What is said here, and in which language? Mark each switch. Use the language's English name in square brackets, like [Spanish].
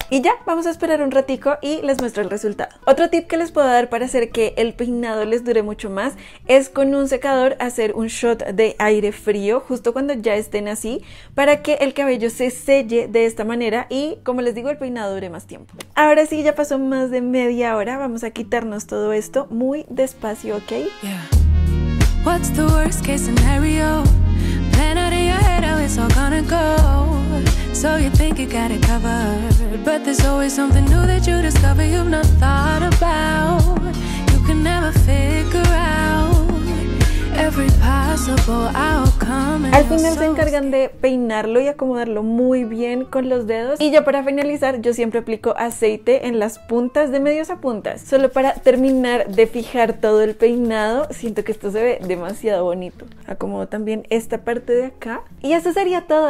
[Spanish] Y ya, vamos a esperar un ratico y les muestro el resultado. Otro tip que les puedo dar para hacer que el peinado les dure mucho más es con un secador hacer un shot de aire frío justo cuando ya estén así, para que el cabello se selle de esta manera y, como les digo, el peinado dure más tiempo. Ahora sí, ya pasó más de media hora, vamos a quitarnos todo esto muy despacio, ¿ok? [English] Yeah. What's the worst case scenario? Plan out of your head how it's all gonna go. So you think you got it covered, but there's always something new that you discover you've not thought about. You can never figure out every possible outcome. [Spanish] Al final se encargan de peinarlo y acomodarlo muy bien con los dedos. Y ya para finalizar, yo siempre aplico aceite en las puntas, de medios a puntas, solo para terminar de fijar todo el peinado. Siento que esto se ve demasiado bonito. Acomodo también esta parte de acá. Y eso sería todo.